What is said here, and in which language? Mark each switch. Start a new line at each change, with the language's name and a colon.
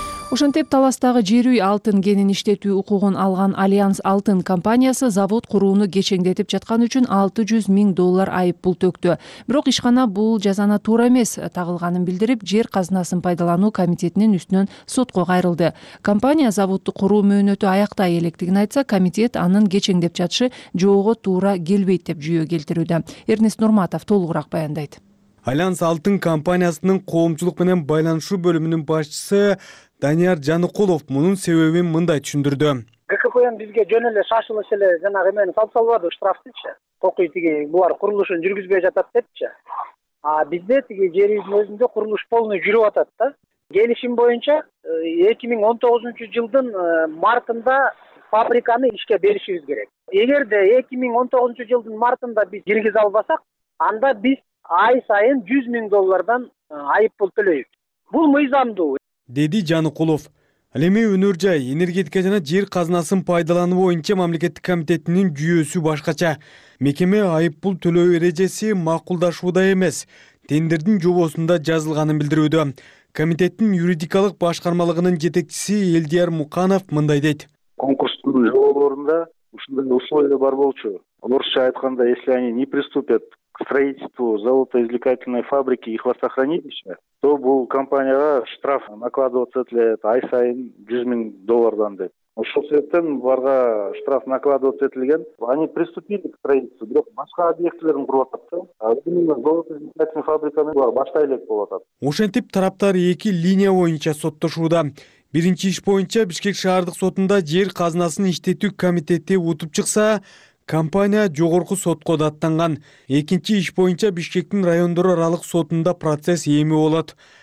Kyrgyz: Ошентип, Таластагы жер үй алтын кенин иштетүү укугун алган Альянс Алтын компаниясы завод курууну кечеңдетип жаткан үчүн 600 000 доллар айып пул төктү. Бирок ишкана бул жазана туура эмес тагылганын билдирип, жер казынасын пайдалануу комитетинин үстүнөн сотко кайрылды. Компания заводду куруу мөөнөтү аяктай электигин айтса, комитет анын кечеңдеп жатышы жоого туура келбейт деп жүйө келтирүүдө. Эрнест Нурматов толугураак баяндайт. Альянс Алтын компаниясынын коомчулук менен байланышуу бөлүмүнүн башчысы Данияр Жаныколов мунун себебин мындай түшүндүрдү. ККПМ бизге жөн эле шашылыш эле жанагы эмени салып салбады, штрафтычы. Токуй тиги булар курулушун жүргүзбөй жатат депчи. А бизде тиги жер үйдүн өзүндө курулуш полный жүрүп атат да. Келишим боюнча 2019 жылдын мартында фабриканы ишке беришибиз керек. Эгерде 2019 жылдын мартында биз киргизе албасак, анда биз ай сайын 100 000 доллардан айып пул төлөйбүз. Бул мыйзамдуу, деди Жаныколов. Ал эми өнөр жай, энергетика жана жер казынасын пайдалануу боюнча мамлекеттик комитетинин жүйөсү башкача. Мекеме айып пул төлөө эрежеси макулдашууда эмес, тендердин жобосунда жазылганын билдирүүдө. Комитеттин юридикалык башкармалыгынын жетекчиси Элдияр Муканов мындай дейт. Конкурстун жолдорунда ушундай условия бар болчу. Орусча айтканда,
Russian: если они не приступят строительству золотоизвлекательной фабрики и хвостохранилища, то
Kyrgyz: бул компанияга
Russian: штраф накладываться
Kyrgyz: этилет ай сайын 100 000 доллардан деп. Ошол себептен буларга штраф накладываться этилген.
Russian: Они приступили к строительству,
Kyrgyz: бирок башка объектилерин куруп атат да.
Russian: А именно золотоизвлекательная
Kyrgyz: фабриканы булар башта элек болуп атат. Ошентип тараптар эки линия боюнча соттошууда. Биринчи иш боюнча Бишкек шаардык сотунда жер казынасын иштетүү комитети утуп чыкса, компания жогорку сотко даттанган. Экинчи иш боюнча Бишкектин райондор аралык сотунда процесс эми болот.